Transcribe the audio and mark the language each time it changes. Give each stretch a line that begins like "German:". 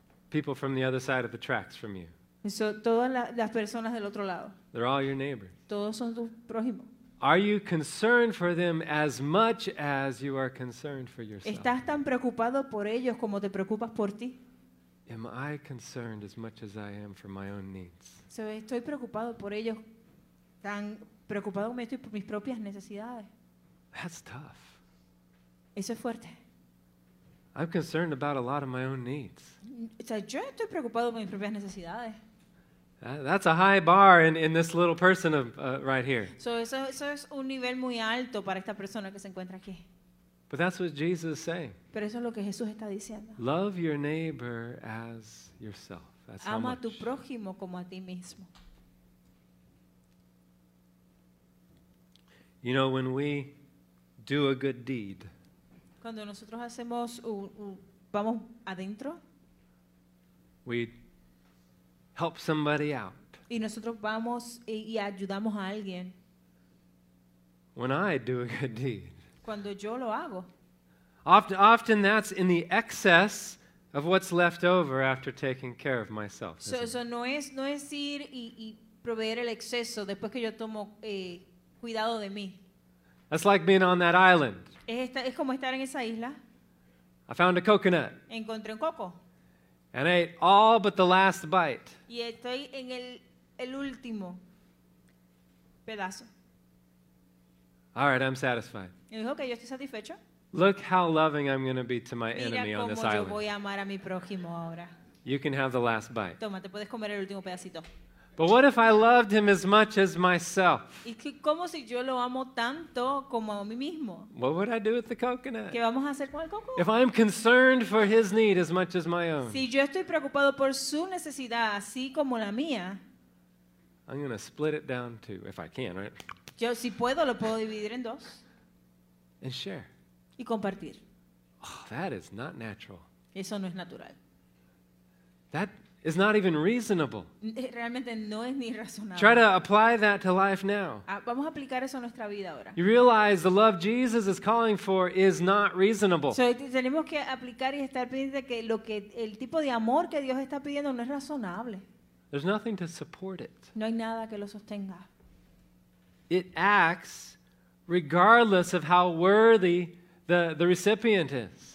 English: People from the other side of the tracks from you.
Spanish: So, todas las personas del otro lado.
English: They're all your neighbors.
Spanish: Todos son tus prójimos.
English: Are you concerned for them as much as you are concerned for yourself?
Spanish: ¿Estás tan preocupado por ellos como te preocupas por ti?
English: Am I concerned as much as I am for my own needs?
Spanish: So, estoy preocupado por ellos tan preocupado como estoy por mis propias necesidades.
English: That's tough.
Spanish: Eso es fuerte.
English: I'm concerned about a lot of my own needs.
Spanish: O sea, yo estoy preocupado por mis propias necesidades.
English: That's a high bar in this little person of right here.
Spanish: So eso es un nivel muy alto para esta persona que se encuentra aquí.
English: But that's what Jesus is saying.
Spanish: Pero eso es lo que Jesús está diciendo.
English: Love your neighbor as yourself. That's
Spanish: ama
English: how much.
Spanish: A tu prójimo como a ti mismo.
English: You know, when we do a good deed,
Spanish: cuando nosotros hacemos vamos adentro,
English: we help somebody out.
Spanish: Y nosotros vamos y ayudamos a alguien.
English: When I do a good deed.
Spanish: Cuando yo lo hago.
English: Often that's in the excess of what's left over after taking care of myself.
Spanish: So no es ir y proveer el exceso después que yo tomo cuidado de mí.
English: That's like being on that island.
Spanish: Es como estar en esa isla.
English: I found a coconut.
Spanish: Encontré un coco.
English: And I ate all but the last bite.
Spanish: Y estoy en el último pedazo.
English: All right, I'm satisfied.
Spanish: Y dijo que yo estoy satisfecho.
English: Look how loving I'm going to be to my enemy on this island.
Spanish: Mira cómo yo voy a amar a mi prójimo ahora.
English: You can have the last bite.
Spanish: Toma, te puedes comer el último pedacito.
English: But what if I loved him as much as myself?
Spanish: Y cómo si yo lo amo tanto como a mí mismo.
English: What would I do with the coconut?
Spanish: ¿Qué vamos a hacer con el coco?
English: If I'm concerned for his need as much as my own.
Spanish: Si yo estoy preocupado por su necesidad así como la mía.
English: I'm going to split it down too, if I can, right?
Spanish: Yo si puedo lo puedo dividir en dos.
English: And share.
Spanish: Y compartir.
English: Oh, that is not natural.
Spanish: Eso no es natural.
English: That is not even reasonable.
Spanish: Realmente no es ni razonable.
English: Try to apply that to life now.
Spanish: Vamos a aplicar eso a nuestra vida ahora.
English: You realize the love Jesus is calling for is not reasonable.
Spanish: So, tenemos que aplicar y estar pendiente que lo que el tipo de amor que Dios está pidiendo no es razonable.
English: There's nothing to support it.
Spanish: No hay nada que lo sostenga.
English: It acts regardless of how worthy the recipient is.